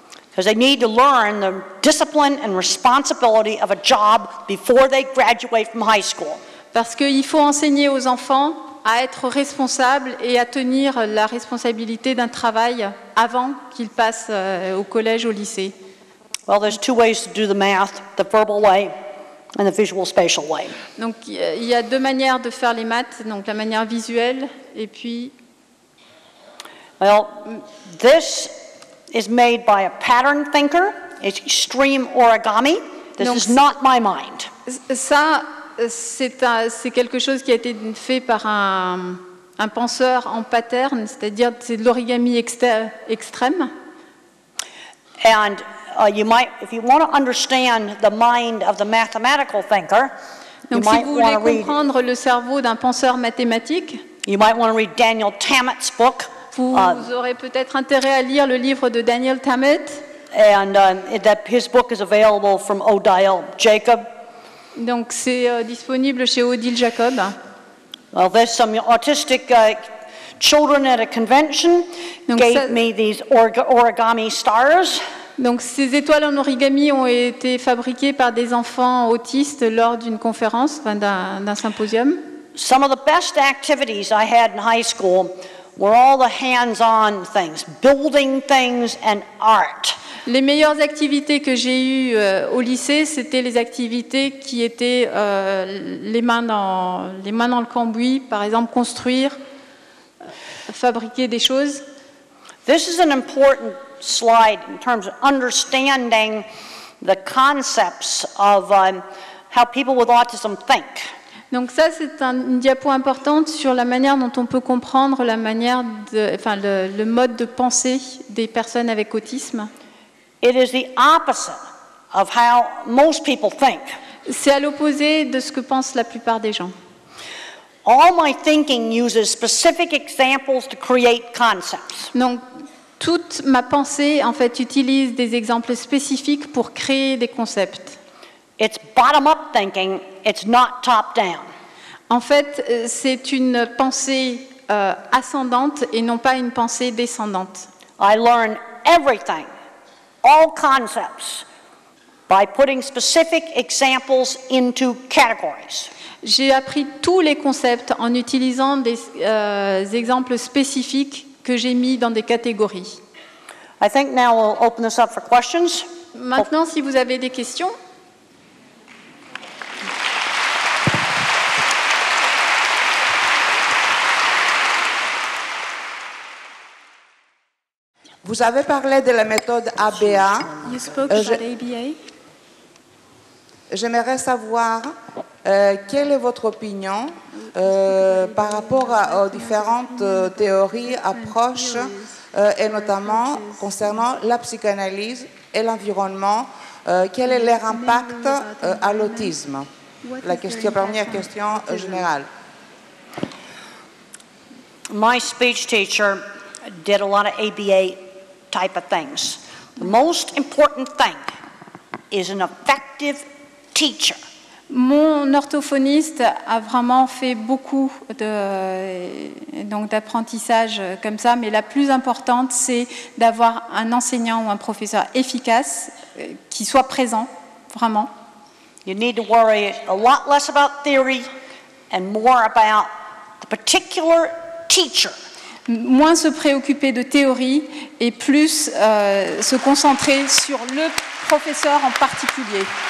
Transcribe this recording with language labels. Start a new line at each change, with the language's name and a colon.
English: Because they need to learn the discipline and responsibility of a job before they graduate from high school.
French: Parce qu'il faut enseigner aux enfants à être responsables et à tenir la responsabilité d'un travail avant qu'ils passent au collège, au lycée.
English: Well, there's two ways to do the math, the verbal way and the visual spatial way.
French: Donc, il y a deux manières de faire les maths, donc la manière visuelle et puis...
English: Well, this is made by a pattern thinker. It's extreme origami. This is not my mind.
French: Ça, c'est quelque chose qui a été fait par un penseur en pattern, c'est-à-dire c'est de l'origami extrême.
English: And you might, if you want to understand the mind of the mathematical thinker,
French: donc,
English: you
French: si vous voulez comprendre le cerveau d'un penseur mathématique,
English: you might want to read Daniel Tammet's book.
French: Vous aurez peut-être intérêt à lire le livre de Daniel Tammet.
English: And that his book is available from Odile Jacob.
French: Donc c'est disponible chez Odile Jacob.
English: Well, there's some autistic children at a convention me these origami stars.
French: Donc ces étoiles en origami ont été fabriquées par des enfants autistes lors d'une conférence, enfin d'un symposium.
English: Some of the best activities I had in high school were all the hands-on things, building things and art.
French: Les meilleures activités que j'ai eues au lycée, c'était les activités qui étaient les mains dans le cambouis, par exemple construire, fabriquer des choses.
English: This is an important slide in terms of understanding the concepts of how people with autism think.
French: Donc ça, c'est une diapo importante sur la manière dont on peut comprendre la manière de, enfin, le mode de pensée des personnes avec autisme.
English: It is the opposite of how most people think.
French: C'est à l'opposé de ce que pensent la plupart des gens.
English: All my thinking uses specific examples to create concepts.
French: Donc, toute ma pensée, en fait, utilise des exemples spécifiques pour créer des concepts.
English: It's bottom-up thinking. It's not top-down.
French: En fait, c'est une pensée ascendante et non pas une pensée descendante.
English: I learn everything, all concepts, by putting specific examples into categories.
French: J'ai appris tous les concepts en utilisant des exemples spécifiques que j'ai mis dans des catégories.
English: I think now we'll open this up for questions.
French: Maintenant, si vous avez des questions. Vous avez parlé de la méthode ABA.
English: You spoke about ABA.
French: J'aimerais savoir quelle est votre opinion par rapport aux différentes théories, approches, et notamment concernant la psychanalyse et l'environnement. Quel est leur impact à l'autisme? La question, première question générale.
English: My speech teacher did a lot of ABA type of things. The most important thing is an effective teacher.
French: Mon orthophoniste a vraiment fait beaucoup de donc d'apprentissage comme ça, mais la plus importante c'est d'avoir un enseignant ou un professeur efficace qui soit présent vraiment.
English: You need to worry a lot less about theory and more about the particular teacher.
French: Moins se préoccuper de théorie et plus se concentrer sur le professeur en particulier.